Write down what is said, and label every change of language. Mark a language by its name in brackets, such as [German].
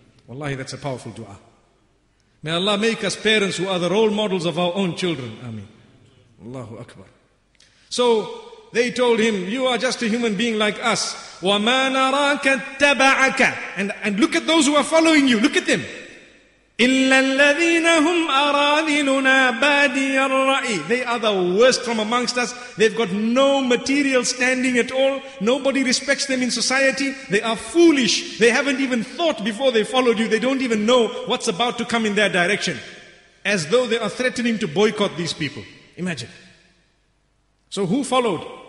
[English] Wallahi, that's a powerful dua. May Allah make us parents who are the role models of our own children. Ameen. Allahu Akbar. So they told him, you are just a human being like us. [Arabic] وَمَا نَرَاكَ اتَّبَعَكَ. [English] And look at those who are following you. Look at them. [Arabic] إلا الذين هم أراذلنا بادي الرأي. [English] They are the worst from amongst us. They've got no material standing at all. Nobody respects them in society. They are foolish. They haven't even thought before they followed you. They don't even know what's about to come in their direction. As though they are threatening to boycott these people. Imagine. So who followed?